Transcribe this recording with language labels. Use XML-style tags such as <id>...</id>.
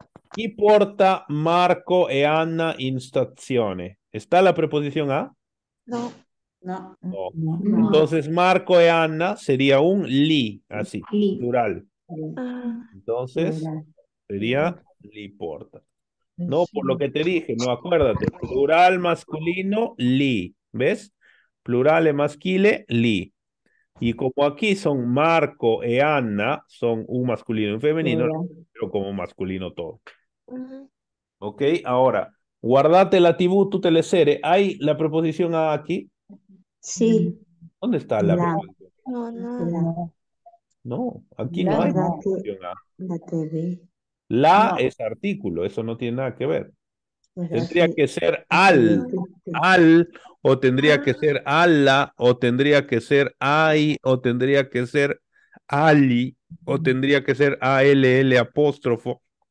<it>Chi porta Marco e Anna in stazione?</it> <es>¿Está la preposición a? No. No. Entonces Marco e Anna sería un li, así, plural. Entonces sería li porta. No, por lo que te dije, no, acuérdate, plural masculino, li, ¿ves?</es> <it>Plural e maschile, li.</it> <es>Y como aquí son Marco e Anna, son un masculino y un femenino, pero como masculino todo. Ok, ahora,</es> <it>guardate la TV,</it> <es>tu telesere. ¿Hay la preposición a aquí? Sí. ¿Dónde está la preposición? No, aquí no hay preposición a. La TV. La no. Es artículo, eso no tiene nada que ver. Pues tendría que ser al, o tendría que ser a la, o tendría que ser ai, o tendría que ser ali, o tendría que ser ALL apóstrofo.</es>